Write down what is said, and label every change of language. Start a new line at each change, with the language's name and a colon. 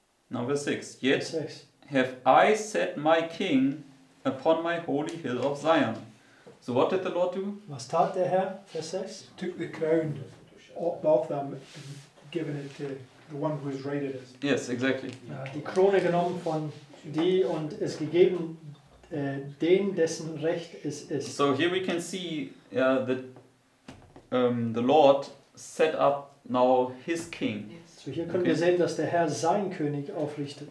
English: Now verse 6. Yet have I set my king upon my holy hill of Zion. So what did the Lord do?
German: Was tat der Herr? Verse 6.
English: Took the crown off them and given it to the one who has raided us. Yes, exactly.
German: Die Krone genommen von die und es gegeben den, dessen Recht es ist.
English: So here we can see that the Lord set up now his king.
German: So hier können wir sehen, dass der Herr seinen König aufrichtet.